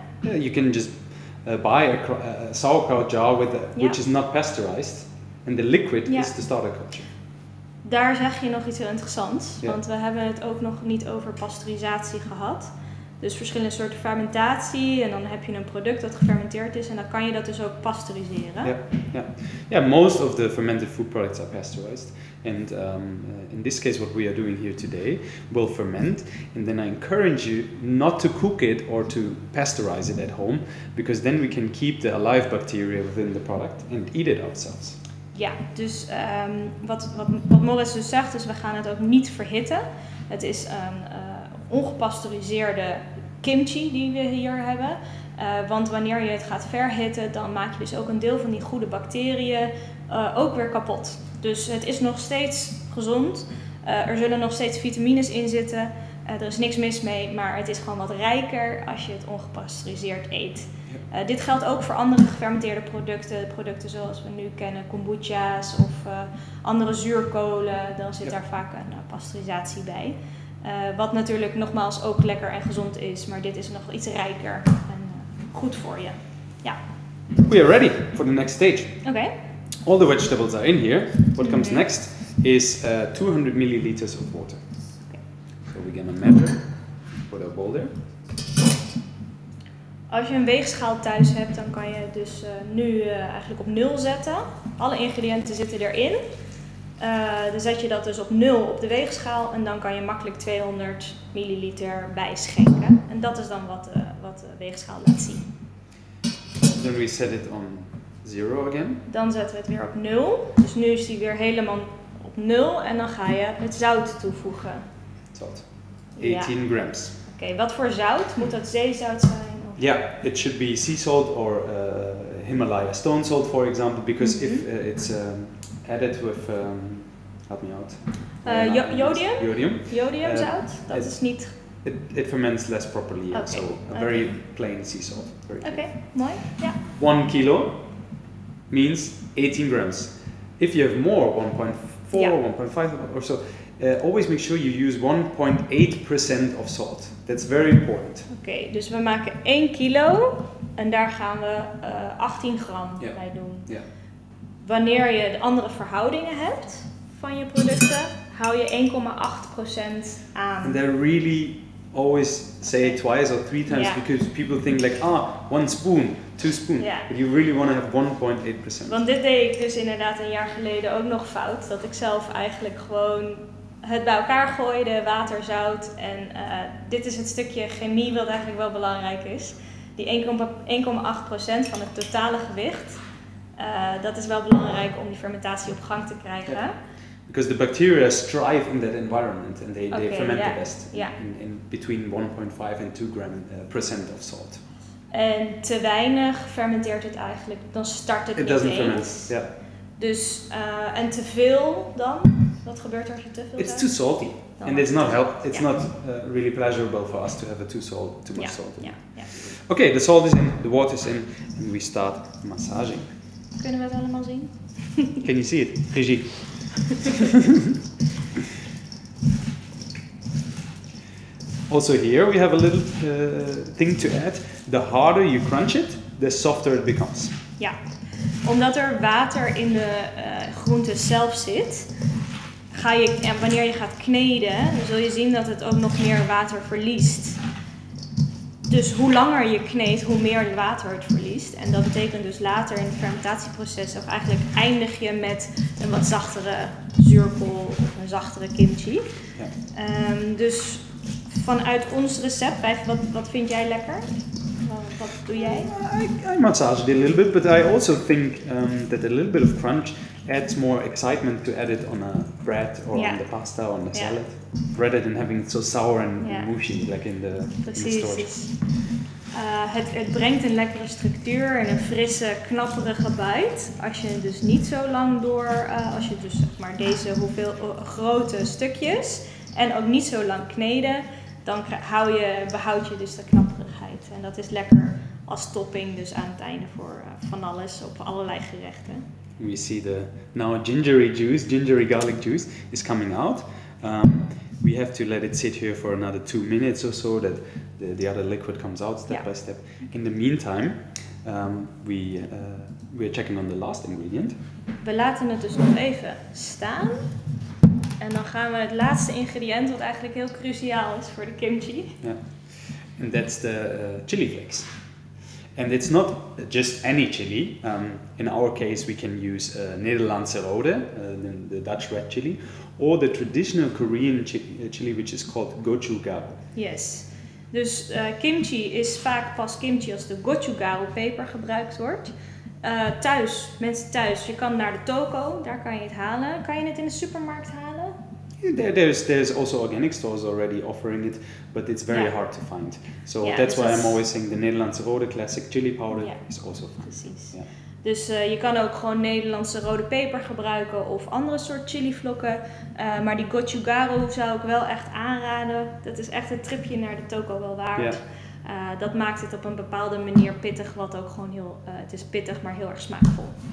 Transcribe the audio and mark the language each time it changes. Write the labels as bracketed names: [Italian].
[English] You can just buy a sauerkraut jar which is not pasteurized. And the liquid is the starterculture. [Dutch] Daar zeg je nog iets heel interessants, yeah. Want we hebben het ook nog niet over pasteurisatie gehad. Dus verschillende soorten fermentatie en dan heb je een product dat gefermenteerd is en dan kan je dat dus ook pasteuriseren. [English] Yeah, most of the fermented food products are pasteurized. And in this case what we are doing here today will ferment. And then I encourage you not to cook it or to pasteurize it at home, because then we can keep the alive bacteria within the product and eat it ourselves. [Dutch] Ja, dus wat Morris dus zegt is, we gaan het ook niet verhitten. Het is een ongepasteuriseerde kimchi die we hier hebben. Want wanneer je het gaat verhitten, dan maak je dus ook een deel van die goede bacteriën ook weer kapot. Dus het is nog steeds gezond. Er zullen nog steeds vitamines in zitten. Er is niks mis mee, maar het is gewoon wat rijker als je het ongepasteuriseerd eet. Dit geldt ook voor andere gefermenteerde producten. Producten zoals we nu kennen, kombucha's of andere zuurkolen. Dan zit daar vaak een pasteurisatie bij. Wat natuurlijk nogmaals ook lekker en gezond is. Maar dit is nog iets rijker en goed voor je. Ja. [English] We are ready for the next stage. Okay. All the vegetables are in here. What comes next is 200 milliliters of water. Okay. So we're gonna measure for the bowl there. [Dutch] Als je een weegschaal thuis hebt, dan kan je het dus nu eigenlijk op nul zetten. Alle ingrediënten zitten erin. Dan zet je dat dus op nul op de weegschaal en dan kan je makkelijk 200 milliliter bijschenken. En dat is dan wat de weegschaal laat zien. [English] Then we set it on zero again. [Dutch] Dan zetten we het weer op nul. Dus nu is die weer helemaal op nul en dan ga je het zout toevoegen. [English] Zout. 18 grams. [Dutch] Oké, wat voor zout? Moet dat zeezout zijn? [English] Yeah, it should be sea salt or Himalaya stone salt, for example, because if it's added with, help me out. [Dutch] Jodium? Jodium. Jodium zout? Dat is niet... [English] It ferments less properly, okay. So a very plain sea salt. Very [Dutch] okay, mooi, ja. [English] 1 kilo means 18 grams. If you have more, 1.5 or so, always make sure you use 1.8% of salt. That's very important. [Dutch] Oké, dus we maken 1 kilo en daar gaan we 18 gram bij doen. Yeah. Wanneer je de andere verhoudingen hebt van je producten, hou je 1,8% aan. [English] And they really always say it twice or three times because people think like, one spoon, two spoons. Yeah. But you really want to have 1.8%. [Dutch] Want dit deed ik dus inderdaad een jaar geleden ook nog fout, dat ik zelf eigenlijk gewoon... Het bij elkaar gooide, water, zout en dit is het stukje chemie wat eigenlijk wel belangrijk is. Die 1,8% van het totale gewicht, dat is wel belangrijk om die fermentatie op gang te krijgen. Yeah. [English] Because the bacteria strive in that environment and they ferment the best in between 1,5 and 2 gram percent of salt. [Dutch] En te weinig fermenteert het eigenlijk, dan start het niet eens. [English] It doesn't ferment, [Dutch] Dus, en te veel dan? Wat gebeurt er als je te veel? [English] It's too salty. And it's not help. It's not really pleasurable for us to have a too much salt. Yeah. Okay, the salt is in, the water is in, and we start massaging. [Dutch] Kunnen we het allemaal zien? [English] Can you see it? Regie. Also here we have a little thing to add. The harder you crunch it, the softer it becomes. [Dutch] Ja. Omdat er water in de groente zelf zit. En wanneer je gaat kneden, dan zul je zien dat het ook nog meer water verliest. dus hoe langer je kneedt, hoe meer water het verliest. En dat betekent dus later in het fermentatieproces, of eigenlijk eindig je met een wat zachtere zuurkool of een zachtere kimchi. Ja. Dus vanuit ons recept, wat vind jij lekker? Wat doe jij? [English] I massage it a little bit, but I also think that a little bit of crunch adds more excitement to add it on a bread or on the pasta or on the salad. Rather than having it so sour and mushy like in the store. [Dutch] Het brengt een lekkere structuur en een frisse, knapperige bite. Als je dus niet zo lang door, als je dus zeg maar deze grote stukjes en ook niet zo lang kneden, dan behoud je dus de knapperigheid. En dat is lekker als topping dus aan het einde voor van alles op allerlei gerechten. [English] We see the now gingery juice, gingery garlic juice is coming out. We have to let it sit here for another 2 minutes or so that the other liquid comes out step by step. In the meantime, we're checking on the last ingredient. [Dutch] We laten het dus nog even staan. En dan gaan we het laatste ingrediënt, wat eigenlijk heel cruciaal is voor de kimchi. [English] And that's the chili flakes. And it's not just any chili. In our case, we can use [Dutch] Nederlandse rode, [English] the Dutch red chili, or the traditional Korean chili, which is called gochugaru. Yes. [Dutch] Dus kimchi is vaak pas kimchi als de gochugaru peper gebruikt wordt. Thuis, mensen thuis, je kan naar de toko, daar kan je het halen. Kan je het in de supermarkt halen? [English] There's also organic stores already offering it, but it's very hard to find. So that's why I'm always saying the [Dutch] Nederlandse rode [English] classic chili powder is also fine. [Dutch] Precies. Yeah. Dus je kan ook gewoon Nederlandse rode peper gebruiken of andere soort chili vlokken. Maar die gochugaru zou ik wel echt aanraden. Dat is echt een tripje naar de toko wel waard. Yeah. Dat maakt het op een bepaalde manier pittig, wat ook gewoon heel, het is pittig, maar heel erg smaakvol.